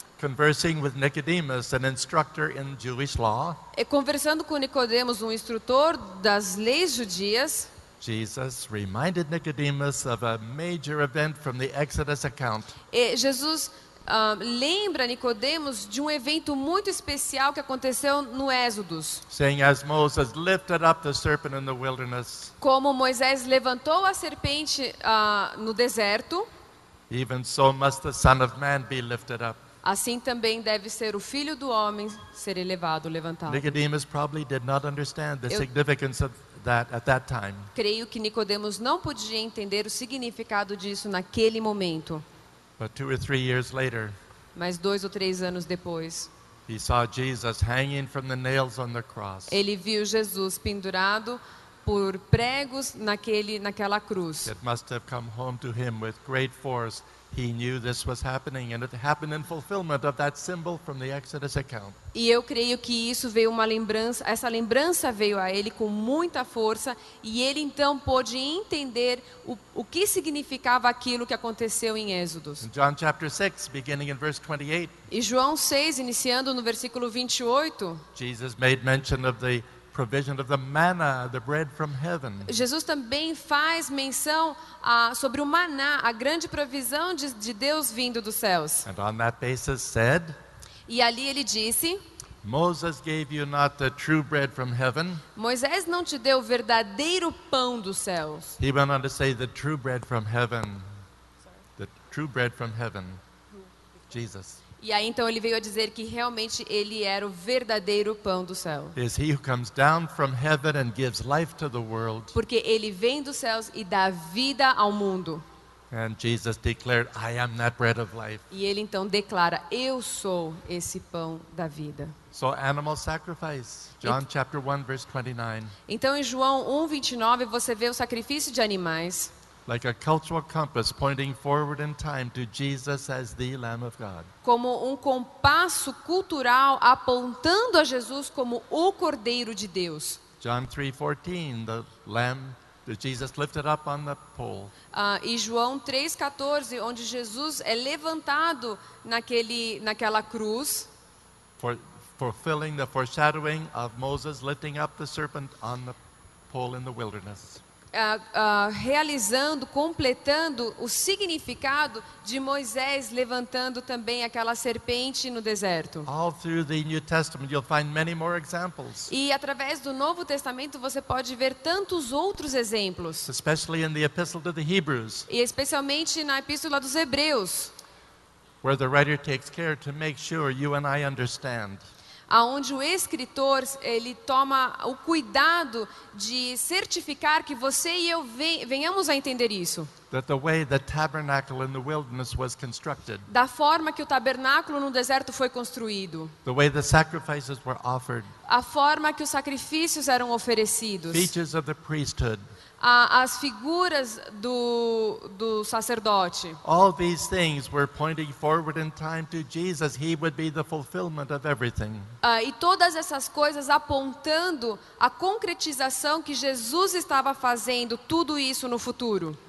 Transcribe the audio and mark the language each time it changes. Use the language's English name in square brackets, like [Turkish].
[English] conversing with Nicodemus, an instructor in Jewish law. [Portuguese] E conversando com Nicodemos, um instrutor das leis judias. [English] Jesus reminded Nicodemus of a major event from the Exodus account. [Portuguese] Jesus lembra Nicodemos de um evento muito especial que aconteceu no Êxodo. [English] Saying as Moses lifted up the serpent in the wilderness. [Portuguese] Como Moisés levantou a serpente no deserto. [English] Even so must the Son of Man be lifted up. [Portuguese] Assim também deve ser o Filho do Homem ser elevado, levantado. [English] Nicodemus probably did not understand the significance of that at that time. [Portuguese] Creio que Nicodemos não podia entender o significado disso naquele momento. [English] But 2 or 3 years later. [Portuguese] Mas 2 ou 3 anos depois. [English] He saw Jesus hanging from the nails on the cross. [Portuguese] Ele viu Jesus pendurado por pregos naquela cruz. [English] It must have come home to him with great force. He knew this was happening, and it happened in fulfillment of that symbol from the Exodus account. [Portuguese] E eu creio que isso veio uma lembrança, essa lembrança veio a ele com muita força, e ele então pôde entender o que significava aquilo que aconteceu em Êxodos. [English] John chapter 6, beginning in verse 28. [Portuguese] E João 6, iniciando no versículo 28. [English] Jesus made mention of the provision of the manna, the bread from heaven. [Portuguese] Jesus também faz menção sobre o maná, a grande provisão de Deus vindo dos céus. [English] And on that basis said, [Portuguese] e ali ele disse, [English] Moses gave you not the true bread from heaven. [Portuguese] Moisés não te deu o verdadeiro pão dos céus. [English] He went on to say the true bread from heaven. Sorry. The true bread from heaven. Jesus. [Portuguese] E aí então ele veio a dizer que realmente ele era o verdadeiro pão do céu. [English] Is he who comes down from heaven and gives life to the world. [Portuguese] Porque ele vem dos céus e dá vida ao mundo. [English] And Jesus declared, I am that bread of life. [Portuguese] E ele então declara, eu sou esse pão da vida. [English] So animal sacrifice, John chapter 1 verse 29. [Portuguese] Então em João 1:29 você vê o sacrifício de animais. [English] Like a cultural compass pointing forward in time to Jesus as the Lamb of God. [Portuguese] Como um compasso cultural apontando a Jesus como o Cordeiro de Deus. [English] John 3:14, the Lamb that Jesus lifted up on the pole. [Portuguese] E João 3:14, onde Jesus é levantado naquela cruz. [English] Fulfilling the foreshadowing of Moses lifting up the serpent on the pole in the wilderness. [Portuguese] Realizando, completando o significado de Moisés levantando também aquela serpente no deserto. [English] All through the New Testament, you'll find many more examples. [Portuguese] E através do Novo Testamento você pode ver tantos outros exemplos. [English] Especially in the Epistle to the Hebrews. [Portuguese] E especialmente na Epístola dos Hebreus. [English] Where the writer takes care to make sure you and I understand. [Portuguese] Aonde o escritor ele toma o cuidado de certificar que você e eu venhamos a entender isso. [English] That the way the tabernacle in the wilderness was constructed. [Portuguese] Da forma que o tabernáculo no deserto foi construído. [English] The way the sacrifices were offered. [Portuguese] A forma que os sacrifícios eram oferecidos. [English] Features of the priesthood. [Portuguese] As figuras do sacerdote. [English] All these things were pointing forward in time to Jesus. He would be the fulfillment of everything. [Portuguese] E todas essas coisas apontando a concretização que Jesus estava fazendo tudo isso no futuro.